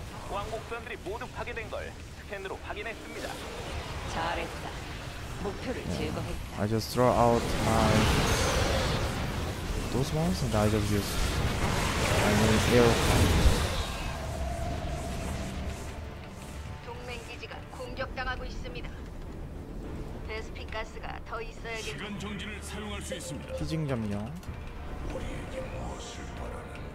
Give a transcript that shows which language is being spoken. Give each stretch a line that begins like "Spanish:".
Korean: 왕복 선들이 모두 파괴된 걸 스캔으로 확인했습니다. 잘했다. 목표를 제거했다.
English: I just throw out my those ones and I just use my main arrow.
Korean: 동맹 기지가 공격당하고 있습니다. 베스핀 가스가 더 있어야겠다. 시간 정지를 사용할 수 있습니다. 피징 점령. 우리에게 무엇을 바라는?